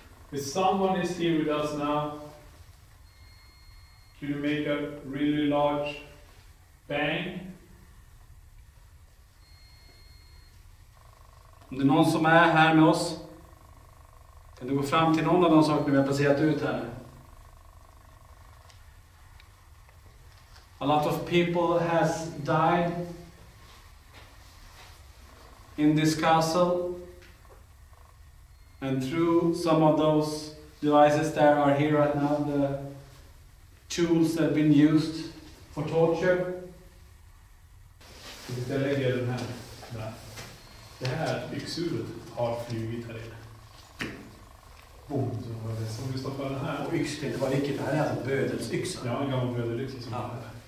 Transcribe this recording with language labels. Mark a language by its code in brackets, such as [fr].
[en] If someone is here with us now, can you make a really large bang? [sv] Om det är någon som är här med oss, kan du gå fram till någon av de sakerna vi har placerat ut här? [en] A lot of people has died in this castle. And through some of those devices that are here right now, the tools that have been used for torture. [sv] Vi ska lägga den här. Det här yxhuvudet har flygit här inne. Boom, så var det som vi stoppade den här. Och yxhuvudet, det var riktigt, det här är alltså bödels yxa. Ja, en gammal bödel yxa som är här.